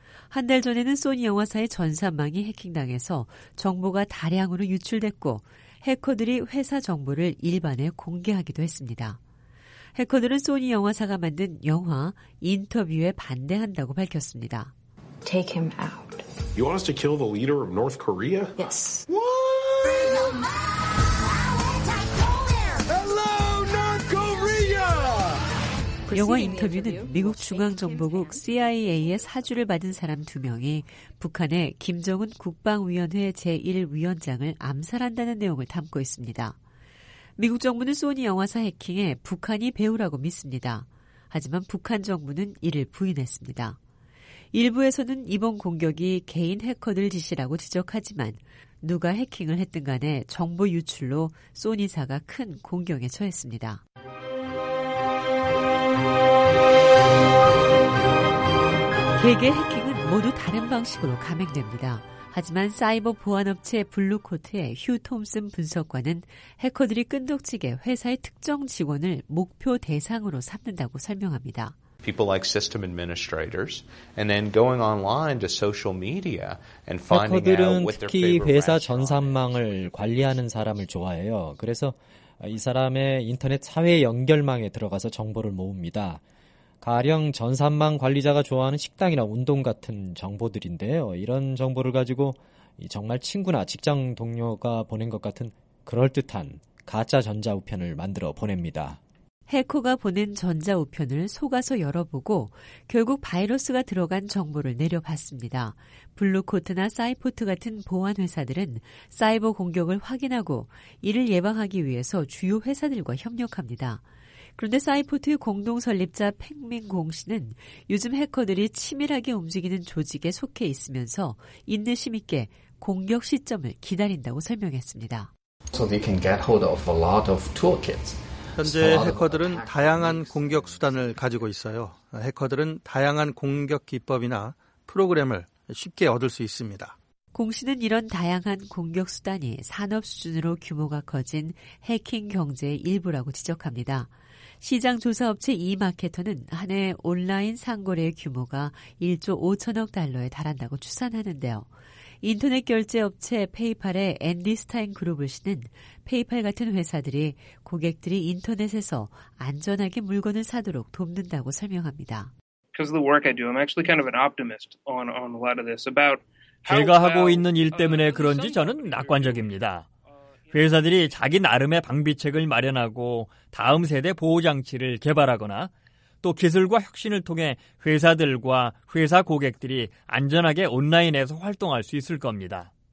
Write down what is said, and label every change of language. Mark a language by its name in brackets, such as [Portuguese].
[Korean] 한 달 전에는 소니 영화사의 전산망이 해킹당해서 정보가 다량으로 유출됐고 해커들이 회사 정보를 일반에 공개하기도 했습니다. 해커들은 소니 영화사가 만든 영화 인터뷰에 반대한다고 밝혔습니다. [English] Take him out. You want us to kill the leader of North Korea? Yes. What? Hello, North Korea. [Korean] 영화 인터뷰는 미국 중앙정보국 CIA의 사주를 받은 사람 두 명이 북한의 김정은 국방위원회 제1위원장을 암살한다는 내용을 담고 있습니다. 미국 정부는 소니 영화사 해킹에 북한이 배후라고 믿습니다. 하지만 북한 정부는 이를 부인했습니다. 일부에서는 이번 공격이 개인 해커들 짓이라고 지적하지만 누가 해킹을 했든 간에 정보 유출로 소니사가 큰 공격에 처했습니다. 개개 해킹은 모두 다른 방식으로 감행됩니다. 하지만 사이버 보안업체 블루코트의 휴 톰슨 분석관은 해커들이 끈덕지게 회사의 특정 직원을 목표 대상으로 삼는다고 설명합니다. [English] People like system administrators and then going online to social media and finding out what their favorite brand is. [Korean] 해커들은 특히 회사 전산망을 관리하는 사람을 좋아해요. 그래서 이 사람의 인터넷 사회 연결망에 들어가서 정보를 모읍니다. 가령 전산망 관리자가 좋아하는 식당이나 운동 같은 정보들인데요. 이런 정보를 가지고 정말 친구나 직장 동료가 보낸 것 같은 그럴듯한 가짜 전자 우편을 만들어 보냅니다. 해커가 보낸 전자 우편을 속아서 열어보고 결국 바이러스가 들어간 정보를 내려봤습니다. 블루코트나 사이포트 같은 보안 회사들은 사이버 공격을 확인하고 이를 예방하기 위해서 주요 회사들과 협력합니다. 그런데 사이포트의 공동 설립자 팽민공 씨는 요즘 해커들이 치밀하게 움직이는 조직에 속해 있으면서 인내심 있게 공격 시점을 기다린다고 설명했습니다. [English] So they can get hold of a lot of toolkits. [Korean] 현재 해커들은 다양한 공격 수단을 가지고 있어요. 해커들은 다양한 공격 기법이나 프로그램을 쉽게 얻을 수 있습니다. 공 씨는 이런 다양한 공격 수단이 산업 수준으로 규모가 커진 해킹 경제의 일부라고 지적합니다. 시장 조사 업체 이마케터는 한 해 온라인 상거래 규모가 1조 5천억 달러에 달한다고 추산하는데요. 인터넷 결제 업체 페이팔의 앤디 스타인 그룹을 씨는 페이팔 같은 회사들이 고객들이 인터넷에서 안전하게 물건을 사도록 돕는다고 설명합니다. [English] Because of the work I do, I'm actually kind of an optimist on a lot of this about [Korean] 제가 하고 있는 일 때문에 그런지 저는 낙관적입니다. 회사들이 자기 나름의 방비책을 마련하고 다음 세대 보호장치를 개발하거나 또 기술과 혁신을 통해 회사들과 회사 고객들이 안전하게 온라인에서 활동할 수 있을 겁니다.